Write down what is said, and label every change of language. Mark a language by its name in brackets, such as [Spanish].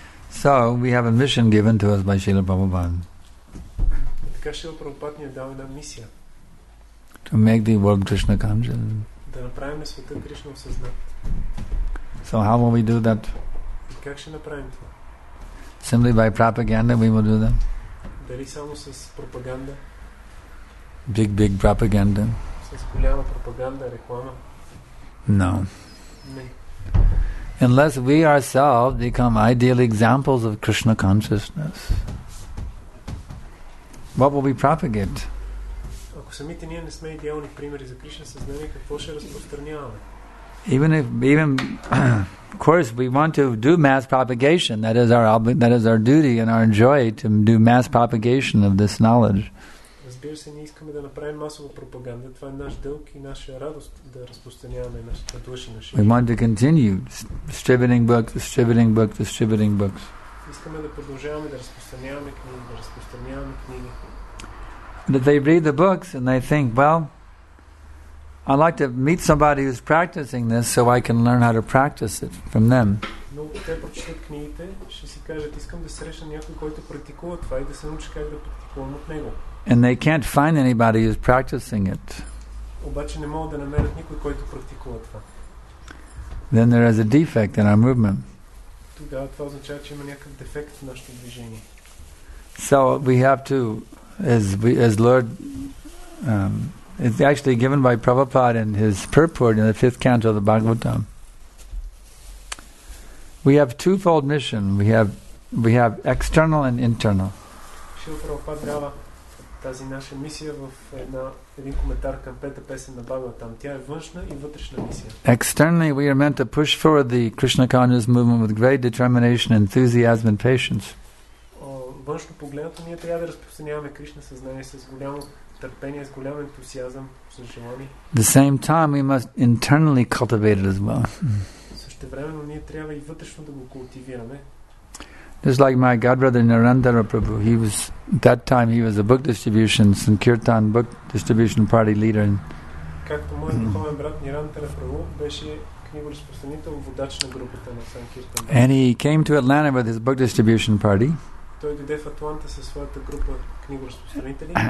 [English] So, we have a mission given to us by Srila Prabhupada. To make the world Krishna conscious. [Bulgarian] Да направим света Кришна осъзнат. [English] So, how will we do that? [Bulgarian] И как ще направим това? [English] Simply by propaganda, we will do that. [Bulgarian] Дали само с пропаганда? [English] Big, big propaganda. [Bulgarian] С голяма пропаганда, реклама? [English] No. [Bulgarian] Не. [English] Unless we ourselves become ideal examples of Krishna consciousness, what will we propagate? [Bulgarian] Ако самите ние не сме идеални примери за Кришна съзнание, какво ще разпространяваме? [English] Of course, we want to do mass propagation. That is our duty and our joy to do mass propagation of this knowledge. [Bulgarian] Разбира се, ние искаме да направим масова пропаганда. Това е наш дълг и наша радост да разпространяваме нашите души на [English] Шри. We want to continue distributing books. [Bulgarian] Искаме да продължаваме да разпространяваме книги, [English] But they read the books and they think, well, I'd like to meet somebody who's practicing this so I can learn how to practice it from them. [Bulgarian] Но те прочитат книгите, ще си кажат, искам да срещна някой, който практикува това и да се научи как да практикувам от него. [English] And they can't find anybody who's practicing it. [Bulgarian] Обаче не могат да намерят никой, който практикува това. [English] Then there is a defect in our movement. [Bulgarian] Тогава това означава, че има някакъв дефект в нашето движение. [English] So we have to, as Lord, it's actually given by Prabhupada in his purport in the fifth canto of the Bhagavatam. We have twofold mission. We have external and internal. [Bulgarian] Шрила Прабхупада дава тази наша мисия в една, един коментар към пета песен на Бхагаватам. Тя е външна и вътрешна мисия. [English] Externally, we are meant to push forward the Krishna consciousness movement with great determination, enthusiasm and patience. [Bulgarian] Външно погледнато, ние трябва да разпространяваме Кришна съзнание с голямо търпение, с голям ентусиазъм, с желание. [English] The same time, we must internally cultivate it as well. [Bulgarian] Същевременно, ние трябва и вътрешно да го култивираме. [English] Just like my godbrother Narendra Prabhu, he was at that time he was a book distribution Sankirtan book distribution party leader. [Bulgarian] Както мой духовен брат Нирантара Прабху беше книгоразпространител водач на групата на Sankirtan. [English] And he came to Atlanta with his book distribution party. [Bulgarian] Той дойде в Атланта със своята група книгоразпространители.